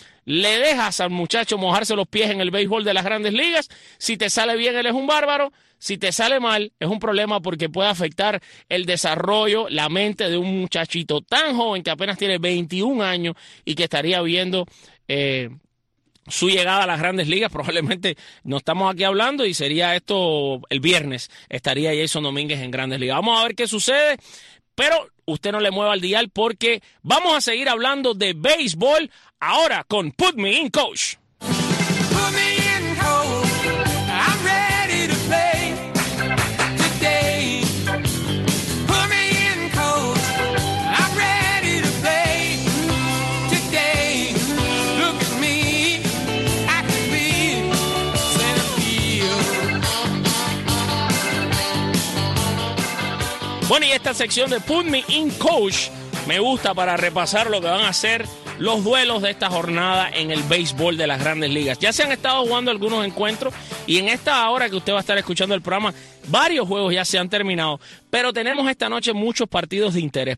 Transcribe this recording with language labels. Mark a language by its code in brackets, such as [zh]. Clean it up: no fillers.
[es] le dejas al muchacho mojarse los pies en el béisbol de las grandes ligas, si te sale bien él es un bárbaro, si te sale mal es un problema porque puede afectar el desarrollo, la mente de un muchachito tan joven que apenas tiene 21 años y que estaría viendo su llegada a las grandes ligas, probablemente no estamos aquí hablando y sería esto el viernes, estaría Jason Domínguez en grandes ligas, vamos a ver qué sucede. Pero usted no le mueva el dial porque vamos a seguir hablando de béisbol ahora con Put Me In Coach. [en] Put me in coach, I'm ready to play today. Put me in coach, I'm ready to play today. Look at me, I can be center field. [es] Bueno, y esta sección de Put Me In Coach me gusta para repasar lo que van a hacer los duelos de esta jornada en el béisbol de las grandes ligas. Ya se han estado jugando algunos encuentros Y en esta hora que usted va a estar escuchando el programa, varios juegos ya se han terminado, pero tenemos esta noche muchos partidos de interés.